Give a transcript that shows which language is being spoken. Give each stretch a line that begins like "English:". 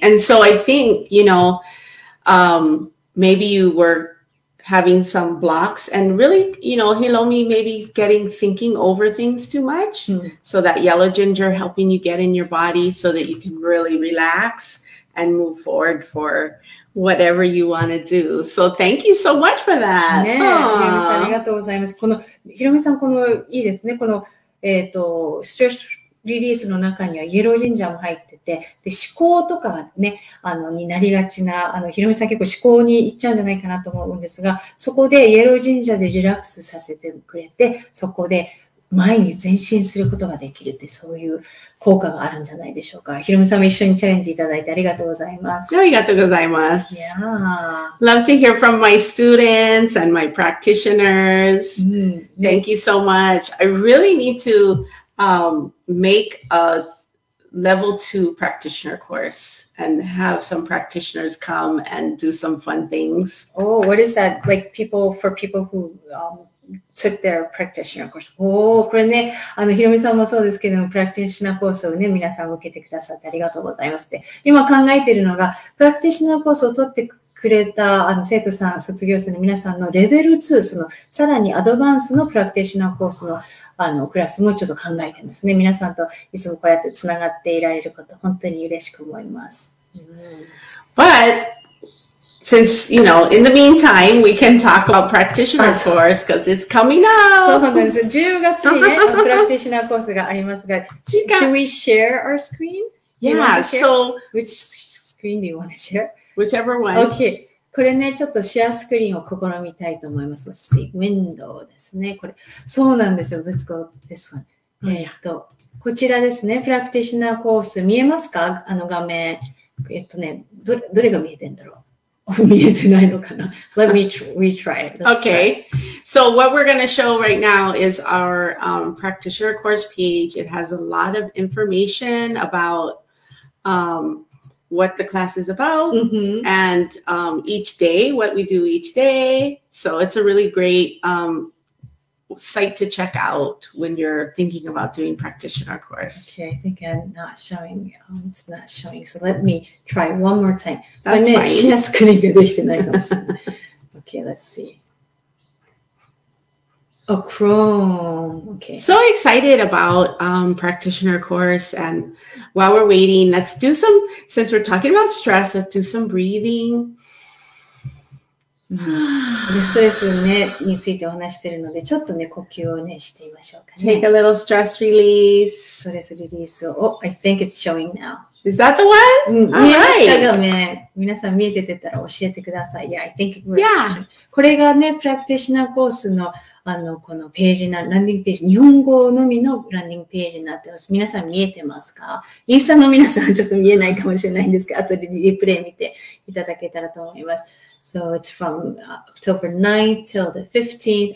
English: And so I think, you know, maybe you were having some blocks and really, you know, Hiromi maybe getting thinking over things too much. Mm. So that yellow ginger helping you get in your body so that you can really relax and move forward for whatever you want to do. So thank you so much for that.
Japanese: ねえ、ヒロミさんありがとうございます。このヒロミさん、このいいですね。このストレスリリースの中にはイエロージンジャーも入ってて、で思考とかね、あのになりがちな、あのヒロミさん結構思考に行っちゃうんじゃないかなと思うんですが、そこでイエロージンジャーでリラックスさせてくれて、そこで前に前進することができるって、そういう効果があるんじゃないでしょうか。ヒロミさんも一緒にチャレンジいただいてありがとうございます。ありがとうございます。
English: Yeah. Love to hear from my students and my practitioners.、
Japanese: うんね、
English: Thank you so much. I really need to、make a level 2 practitioner course and have some practitioners come and do some fun things. Oh, what is that? Like people who...、took their practitioner course.
Japanese: Oh, これね、あの、ヒロミさんもそうですけども、プラクティショナーコースをね、皆さん受けてくださってありがとうございますって。今考えているのが、プラクティショナーコースを取ってくれた、あの、生徒さん、卒業生の皆さんのレベル2、その、さらにアドバンスのプラクティショナーコースの、あの、クラスもちょっと考えてますね。皆さんといつもこうやって繋がっていられること、本当に嬉しく思います。
English: But,Since, you know, in the meantime, we can talk about practitioner course because it's coming up.
Japanese: そうなんです。10月にね、プラクティショナーコースがありますが、
English: should we share our screen? Yeah, so... Which screen do you want to share? Whichever one. Okay.
Japanese: これね、ちょっとシェアスクリーンを試みたいと思います。
English: Let's see.
Japanese: Window ですね。これ。そうなんですよ。
English: Let's go this one.、Oh, yeah.
Japanese: こちらですね。プラクティショナーコース。見えますか?あの画面。ね、どれが見えてんだろう? 見えてないのかな?
English: Let me retry it. Let's okay. Try. So what we're going to show right now is our practitioner course page. It has a lot of information about what the class is about mm-hmm. and each day, what we do each day. So it's a really great site to check out when you're thinking about doing practitioner course. Okay, I think I'm not showing. It's not showing. So let me try one more time. That's fine. Okay, let's see. Oh, Chrome. Okay. So excited about practitioner course. And while we're waiting, let's do some, since we're talking about stress, let's do some breathing.
Japanese: で、ストレスね、についてお話してるので、ちょっとね、呼吸をね、してみましょうかね。
English: Take a little stress release.
Japanese: ストレスリリースを。
English: Oh, I think it's showing now. Is that the one? All right.
Japanese: 見えますか、画面。皆さん見えててたら教えてください。
English: Yeah, I think it works. Yeah.
Japanese: これがね、プラクティショナーコースの、このページな、ランディングページ、日本語のみのランディングページになってます。皆さん見えてますか？インスタの皆さんちょっと見えないかもしれないんですけど、後でリプレイ見ていただけたらと思います。
English: So it's from October 9th till the 15th.